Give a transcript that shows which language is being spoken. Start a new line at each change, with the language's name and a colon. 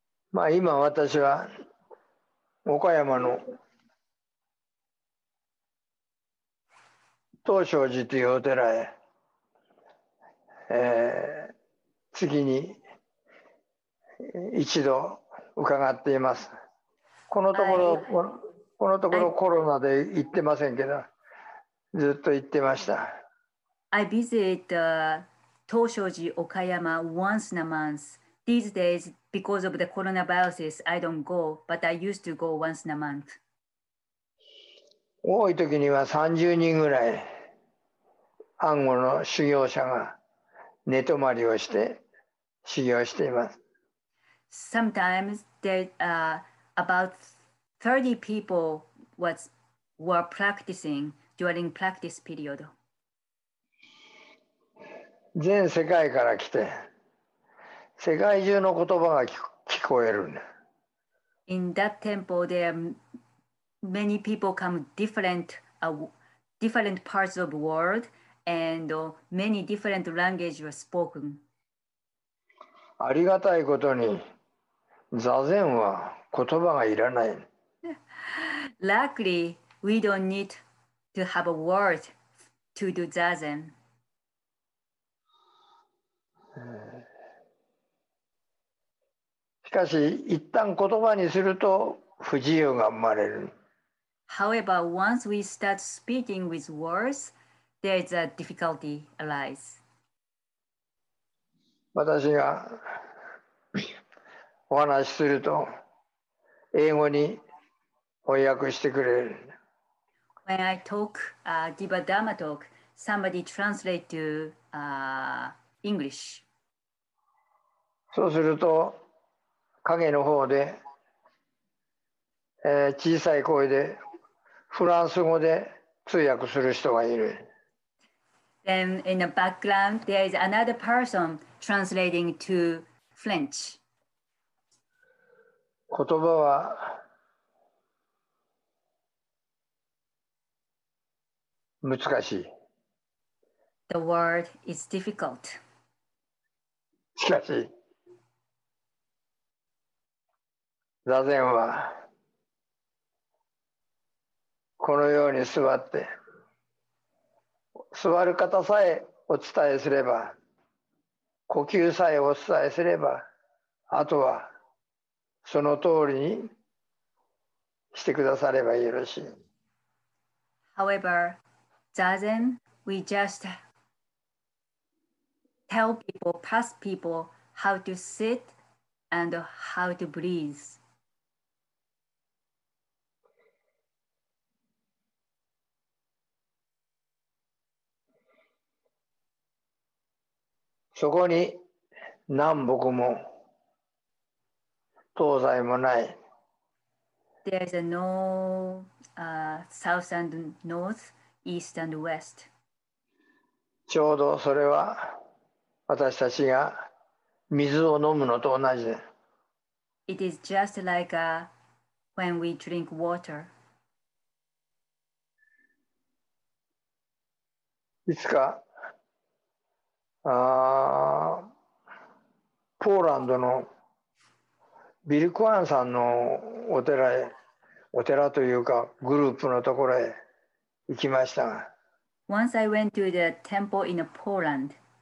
Japanese: まあ今私は岡山の東照寺というお寺へ、次に一度伺っています。このところコロナで行ってませんけど、ずっと行ってました。
English: I visit 東照寺岡山 once in a month. These days, because of the coronavirus, I don't go, but I used to go once in a month.
Japanese: 多い時には30人ぐらい。暗号の修行者が寝泊まりをして修行しています。
English: Sometimes there about 30 people were practicing during practice period.
Japanese: 全世界から来て、世界中の言葉が聞こえる。
English: In that temple, there are many people come different parts of the world. And many different languages were spoken.
Japanese: ありがたいことにZazen wa kotoba ga iranai.
English: Luckily, we don't need to have a word to do zazen.
Japanese: しかし、一旦言葉にすると不自由が生まれる。
English: However, once we start speaking with words, there is a difficulty arise.
Japanese: 私がお話しすると英語に翻訳してくれる。
English: When I talk, give a Dharma talk, somebody translate to English.
Japanese: そうすると影の方で、小さい声でフランス語で通訳する人がいる。
English: Then in the background, there is another person translating to French.
Japanese: 言葉は難しい。
English: The word is difficult.
Japanese: しかし、座禅はこのように座って、座る方さえお伝えすれば、呼吸さえお伝えすれば、あとはその通りにしてくださればよろしい。
English: However, zazen, we just tell people, past people, how to sit and how to breathe.
Japanese: そこに南北も東西もない。
English: There's a no, south and north, east and west.
Japanese: ちょうどそれは私たちが水を飲むのと同じ。
English: It is just like when we drink water.
Japanese: いつか、ポーランドのビルクワンさんのお寺へ、お寺というかグループのところへ行きました。
English: Once I went to the temple in Poland.